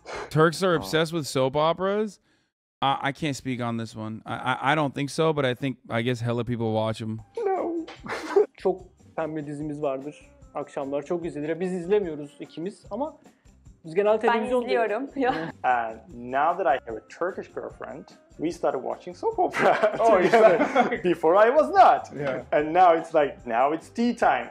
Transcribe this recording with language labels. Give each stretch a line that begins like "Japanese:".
English: Turks are obsessed with soap operas. I can't speak on this one. I don't think so, but I guess hella people watch them. No.
Turkish: Çok pembe dizimiz vardır. Akşamlar çok izlenir. Biz izlemiyoruz ikimiz ama Biz genel televizyon ben izliyorum.
English: And now that I have a Turkish girlfriend, we started watching soap opera. Oh, yeah. Before I was not. Yeah. And now it's like, now it's tea time.